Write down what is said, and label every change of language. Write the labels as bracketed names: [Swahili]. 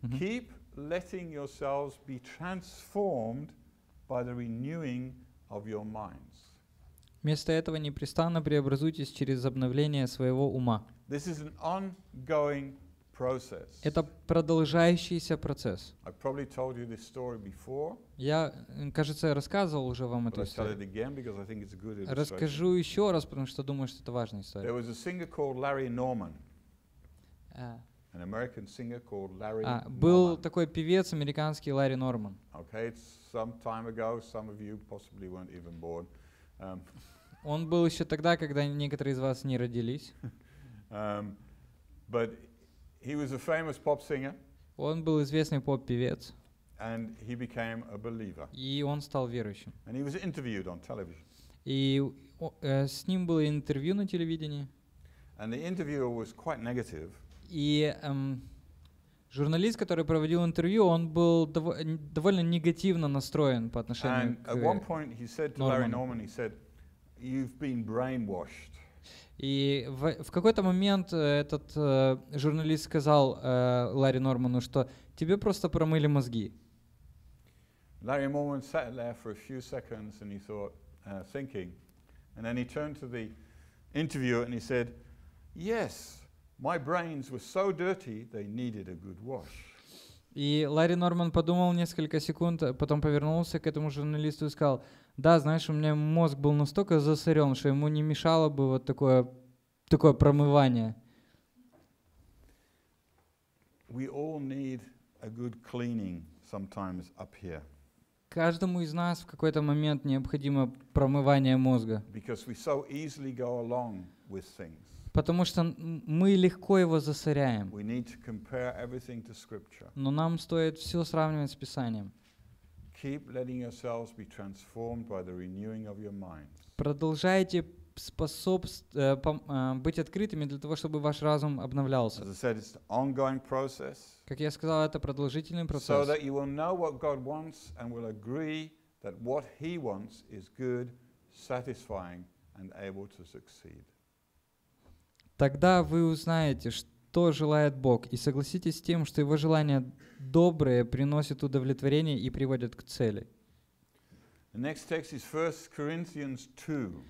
[English] Keep letting yourselves be transformed by the renewing of your minds. [Russian] Вместо этого непрестанно преобразуйтесь через обновление своего ума. [English] This is an ongoing process. [Russian] Это продолжающийся процесс. [English] I probably told you this story before. [Russian] Я, кажется, рассказывал уже вам эту историю. [English] But I'll tell it again because I think it's a good illustration. [Russian] Расскажу еще раз, потому что думаю, что это важная история. [English] There was a singer called Larry Norman. An American singer called Larry Norman. [Russian] Был такой певец американский Ларри Норман. [English] Okay, it's some time ago. Some of you possibly weren't even born. [Russian] Он был еще тогда, когда некоторые из вас не родились. [English] But he was a famous pop singer. [Russian] Он был известный поп-певец. [English] And he became a believer. [Russian] И он стал верующим. [English] And he was interviewed on television. [Russian] И с ним было интервью на телевидении. [English] And the interviewer was quite negative. [Russian] И журналист, который проводил интервью, он был довольно негативно настроен по отношению к Норману. [English] And at one point he said to Larry Norman, he said, "You've been brainwashed." [Russian] И в какой-то момент этот журналист сказал Ларри Норману, что тебе просто промыли мозги. [English] Larry Norman sat there for a few seconds and he thought, thinking, and then he turned to the interviewer and he said, "Yes." My brains were so dirty, they needed a good wash. [Russian] И Ларри Норман подумал несколько секунд, потом повернулся к этому журналисту и сказал: "Да, знаешь, у меня мозг был настолько засорен, что ему не мешало бы вот такое промывание." [English] We all need a good cleaning sometimes up here. [Russian] Каждому из нас в какой-то момент необходимо промывание мозга. [English] Because we so easily go along with things. [Russian] Потому что мы легко его засоряем. [English] We need to compare everything to scripture. [Russian] Но нам стоит все сравнивать с Писанием. [English] Keep letting yourselves be transformed by the renewing of your minds. [Russian] Продолжайте быть открытыми для того, чтобы ваш разум обновлялся. [English] As I said, it's an ongoing process. [Russian] Как я сказал, это продолжительный процесс. [English] So that you will know what God wants and will agree that what He wants is good, satisfying, and able to succeed. [Russian] Тогда вы узнаете, что желает Бог, и согласитесь с тем, что Его желания добрые, приносят удовлетворение и приводят к цели. [English] The next text is 1 Corinthians 2.